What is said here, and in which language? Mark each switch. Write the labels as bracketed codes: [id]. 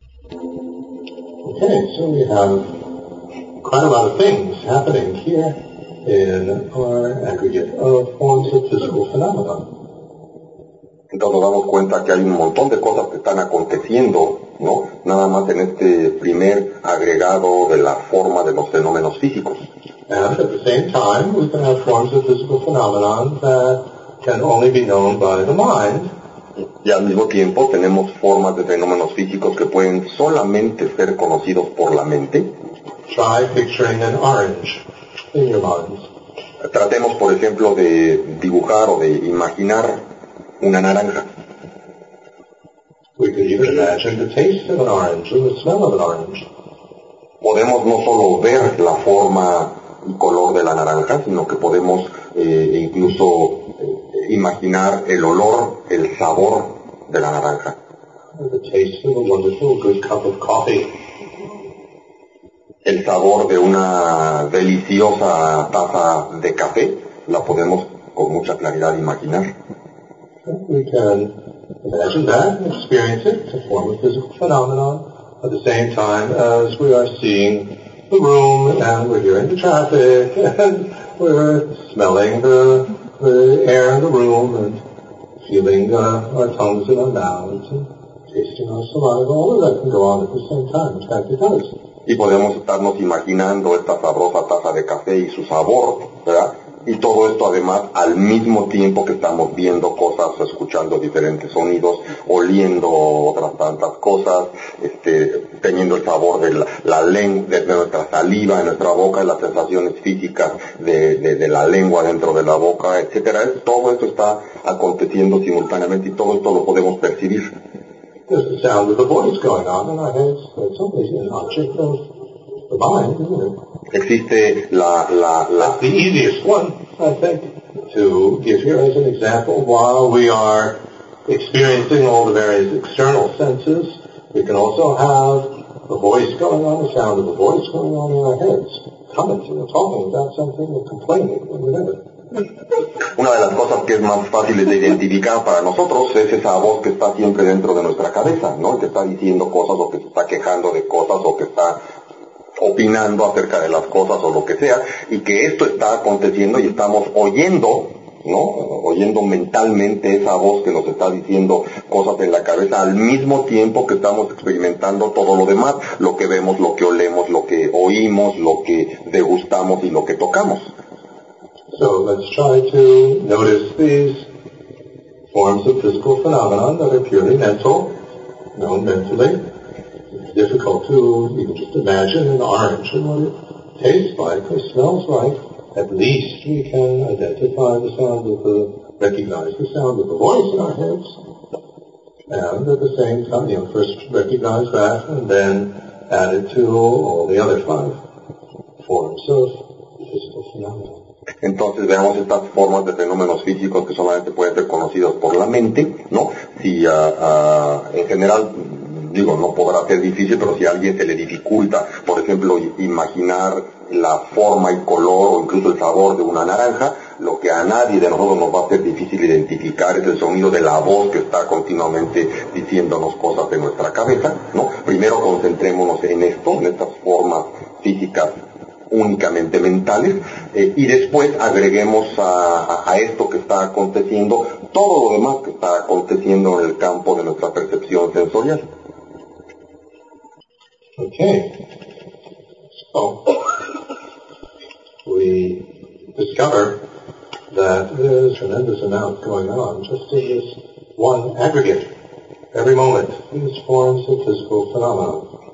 [en] Okay, so we have quite a lot of things happening here in our aggregate of forms of physical phenomena. [es] Entonces nos damos cuenta que hay un montón de cosas que están aconteciendo, ¿no? Nada más en este primer agregado de la forma de los fenómenos físicos. [en] And at the same time, we can have forms of physical phenomena that can only be known by the mind. [es] Y al mismo tiempo tenemos formas de fenómenos físicos que pueden solamente ser conocidos por la mente. [en] Try picturing an orange in your minds. [es] Tratemos, por ejemplo, de dibujar o de imaginar una naranja. [en] We can even imagine the taste of an orange or the smell of an orange. [es] Podemos no solo ver la forma y color de la naranja, sino que podemos incluso imaginar el olor, el sabor de la naranja. [en] The taste of a wonderful good cup of coffee. [es] El sabor de una deliciosa taza de café la podemos con mucha claridad imaginar. [en] We can imagine that and experience it as a form of physical phenomenon at the same time as we are seeing the room and we're hearing the traffic and we're smelling the air in the room and feeling our tongues in our mouths and tasting our saliva. All of that can go on at the same time. In fact, it does. [es] Y podemos estarnos imaginando esta sabrosa taza de café y su sabor, ¿verdad? Y todo esto además al mismo tiempo que estamos viendo cosas, escuchando diferentes sonidos, oliendo otras tantas cosas, teniendo el sabor de la lengua, de nuestra saliva en nuestra boca, las sensaciones físicas de la lengua dentro de la boca, etcétera. Todo esto está aconteciendo simultáneamente y todo esto lo podemos percibir. [en] There's the sound of the voice going on in our heads. It's obviously an object of the mind, isn't it? [es] Existe la [en] the easiest one, I think, to give here as an example. While we are experiencing all the various external senses, we can also have the voice going on, the sound of the voice going on in our heads, commenting or talking about something or complaining or whatever. [es] Una de las cosas que es más fáciles de identificar para nosotros es esa voz que está siempre dentro de nuestra cabeza, ¿no? Que está diciendo cosas o que se está quejando de cosas o que está opinando acerca de las cosas o lo que sea, y que esto está aconteciendo y estamos oyendo, ¿no? Oyendo mentalmente esa voz que nos está diciendo cosas en la cabeza al mismo tiempo que estamos experimentando todo lo demás, lo que vemos, lo que olemos, lo que oímos, lo que degustamos y lo que tocamos. [en] So let's try to notice these forms of physical phenomena that are purely mental. know, mentally, it's difficult to even just imagine an orange and what it tastes like or smells like. At least we can identify the sound of the, recognize the sound of the voice in our heads. And at the same time, you know, first recognize that and then add it to all the other five forms of physical phenomena. [es] Entonces veamos estas formas de fenómenos físicos que solamente pueden ser conocidos por la mente, ¿no? Si en general, digo, no podrá ser difícil, pero si a alguien se le dificulta, por ejemplo, imaginar la forma y color o incluso el sabor de una naranja, lo que a nadie de nosotros nos va a ser difícil identificar es el sonido de la voz que está continuamente diciéndonos cosas de nuestra cabeza, ¿no? Primero concentrémonos en esto, en estas formas físicas únicamente mentales, y después agreguemos a esto que está aconteciendo todo lo demás que está aconteciendo en el campo de nuestra percepción sensorial. [en] Okay. So, we discover that there's a tremendous amount going on just in this one aggregate, every moment, these forms of physical phenomena.